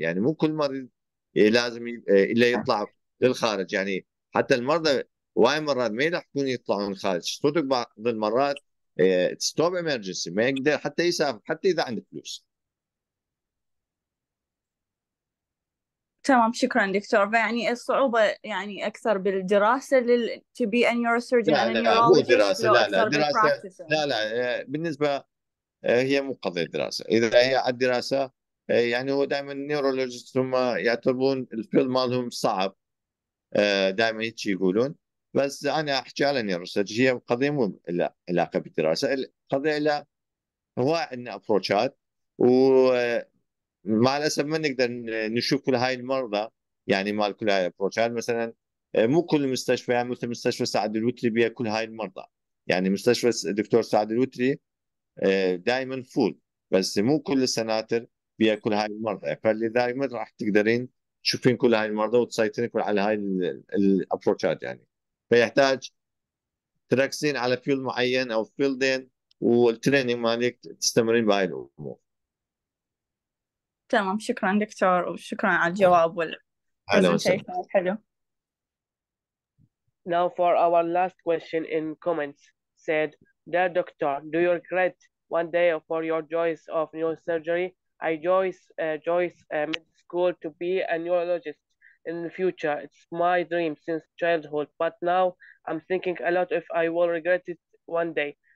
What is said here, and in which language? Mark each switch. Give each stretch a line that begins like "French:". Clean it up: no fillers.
Arabic: يعني مو كل مريض لازم إلا يطلع للخارج. يعني حتى المرضى هواية مرات ما يلحقون يطلعون للخارج الصدق بعض المرات ستوب إمرجنسي ما يقدر حتى يسافر حتى إذا عنده فلوس. تمام شكرا دكتور. يعني الصعوبة يعني أكثر بالدراسة
English: to be a neurosurgeon and a neurologist.
Arabic: لا لا دراسة لا لا بالنسبة هي مو قضية دراسة. إذا هي على الدراسة يعني هو دائما neurologist ثم يعتبرون الفيلد مالهم صعب دائما هيك يقولون. بس أنا أحكي على neurosurgeon هي قضية مو علاقة بالدراسة القضية لا هو إن approachات و مع الأسف ما نقدر نشوف كل هاي المرضى. يعني مع كل هاي الابروتش مثلا مو كل المستشفى يعني مثل مستشفى سعد الوتري بيها كل هاي المرضى. يعني مستشفى دكتور سعد الوتري دائما فول بس مو كل السناتر بيها كل هاي المرضى. فلذلك ما راح تقدرين تشوفين كل هاي المرضى وتسيطرين كل على هاي الابروتشات. يعني فيحتاج تركزين على فيلد معين او فيلدين والتريننج مالك تستمرين بهاي الامور. تمام شكرا دكتور وشكرا على الجواب والpresentation حلو.
English: Now for our last question in comments said, dear doctor, do you regret one day for your choice of neurosurgery? I choose med school to be a neurologist in the future. It's my dream since childhood, but now I'm thinking a lot if I will regret it one day.